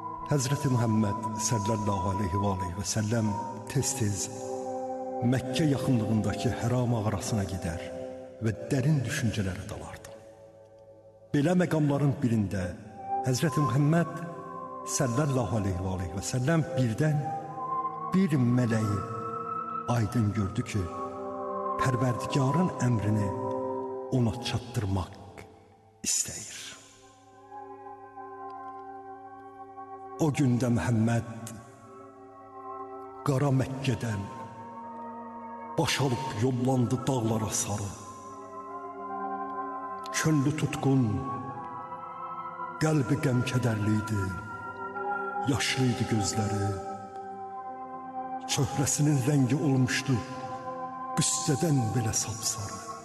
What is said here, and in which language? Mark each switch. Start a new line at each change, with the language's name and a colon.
Turkish: Hazreti Muhammed sallallahu aleyhi ve aleyhi ve sellem tez-tez Mekke yakınlığındaki Hira mağarasına gider ve derin düşüncelere dalardı.
Azerbaijani: Belə məqamların birində Hazreti Muhammed sallallahu aleyhi ve sellem
Turkish: birden bir meleği
Azerbaijani: aydın gördü ki, Pərvərdigarın emrini ona çatdırmaq istəyir. O gündə Məhəmməd qara Məkkədən baş alıp yollandı dağlara sarı. Könlü tutkun, qəlbi qəmkədərliydi, yaşlıydı gözləri, çöhrəsinin rəngi olmuşdu, qüssədən belə sapsarı.